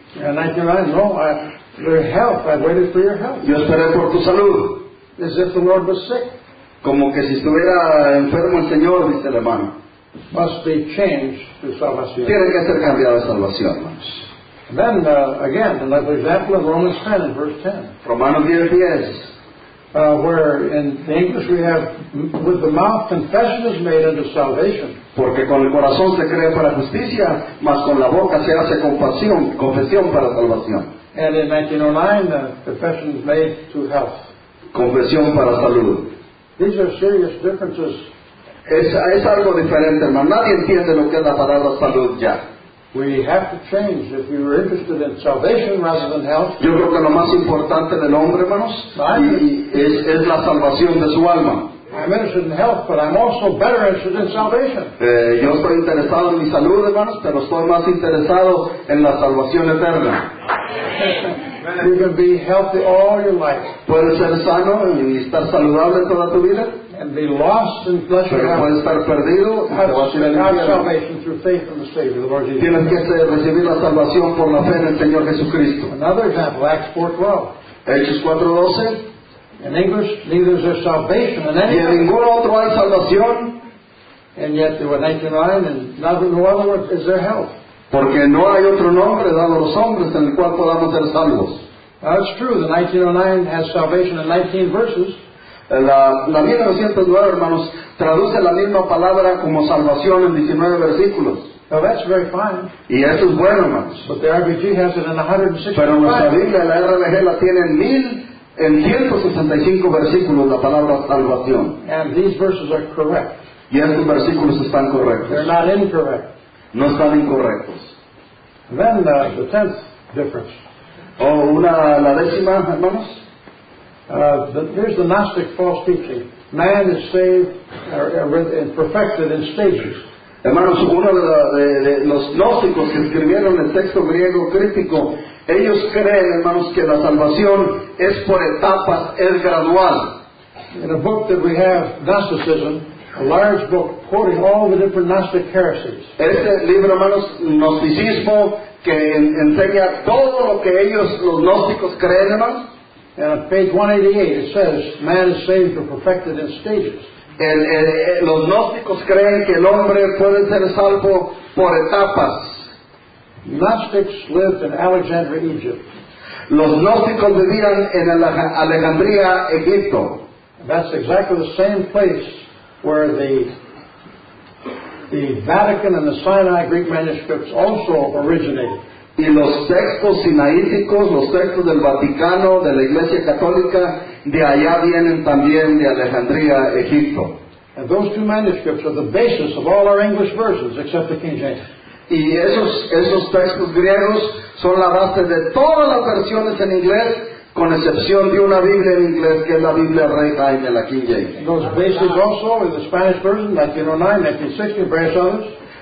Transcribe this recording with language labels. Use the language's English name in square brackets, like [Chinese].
[English] And 1909, no, your health, I waited for your health. [Spanish] Yo esperé por tu salud. [English] As if the Lord was sick. [Spanish] Como que si estuviera enfermo el Señor, dice el hermano. [English] Must be changed to salvation. [Spanish] Tiene que ser cambiado de salvación, hermanos. [English] Then, again, another example of Romans 10, in verse 10. [Spanish] Romanos 10:10. [English] Where in the English we have, with the mouth confession is made unto salvation. [Spanish] Porque con el corazón se cree para justicia, mas con la boca se hace confesión para salvación. [English] And in 1909, confession is made to health. [Spanish] Confesión para salud. [English] These are serious differences. [Spanish] Es algo diferente, hermano. Nadie entiende lo que es la palabra salud ya. [English] We have to change if you are interested in salvation rather than health. [Spanish] Yo creo que lo más importante del hombre, hermanos, es la salvación de su alma. [English] I'm interested in health, but I'm also better interested in salvation. [Spanish] Yo estoy interesado en mi salud, hermanos, pero estoy más interesado en la salvación eterna. [English] You can be healthy all your life. [Spanish] Puedes ser sano y estar saludable toda tu vida. [English] And be lost in pleasure. [Spanish] Pero puedes estar perdido. Tienes que recibir la salvación por la fe en el Señor Jesucristo. [English] Another example, Acts 4:12. [Spanish] Hechos 4:12. [English] In English, neither is there salvation in any. [Spanish] Y en ningún otro hay salvación. [English] And yet there were 99, and nothing, no other word, is there health. [Spanish] Porque no hay otro nombre dado a los hombres en el cual podamos ser salvos. [English] Now it's true, the 1909 has salvation in 19 verses. [Spanish] La 1909, hermanos, traduce la misma palabra como salvación en 19 versículos. [English] Now that's very fine. [Spanish] Y eso es bueno, hermanos. [English] But the RBG has it in 165. [Spanish] Pero nuestra Biblia, la RBG, la tiene en 165 versículos la palabra salvación. [English] And these verses are correct. [Spanish] Y estos versículos están correctos. [English] They're not incorrect. [Spanish] No están incorrectos. [English] Then the tenth difference. [Spanish] Oh, la décima, hermanos. [English] Here's the Gnostic false teaching. Man is saved and perfected in stages. [Spanish] Hermanos, uno de los gnósticos que escribieron el texto griego crítico, ellos creen, hermanos, que la salvación es por etapas, es gradual. [English] In a book that we have, Gnosticism, a large book quoting all the different Gnostic heresies. [Spanish] Este libro, hermanos, Gnosticismo, que enseña todo lo que ellos, los gnósticos, creen, hermanos. [English] And on page 188, it says, man is saved or perfected in stages. [Spanish] Los gnósticos creen que el hombre puede ser salvo por etapas. [English] Gnostics lived in Alexandria, Egypt. [Spanish] Los gnósticos vivían en Alejandría, Egipto. [English] That's exactly the same place where the Vatican and the Sinai Greek manuscripts also originated. [Spanish] Y los textos sinaíticos, los textos del Vaticano, de la Iglesia Católica, de allá vienen también de Alejandría, Egipto. [English] And those two manuscripts are the basis of all our English versions, except the King James. [Spanish] Y esos textos griegos son la base de todas las versiones en inglés, con excepción de una Biblia en inglés, que es la Biblia Rey Jaime, la King James. [English] Those bases also in the Spanish version, 1909, 1960, and various others.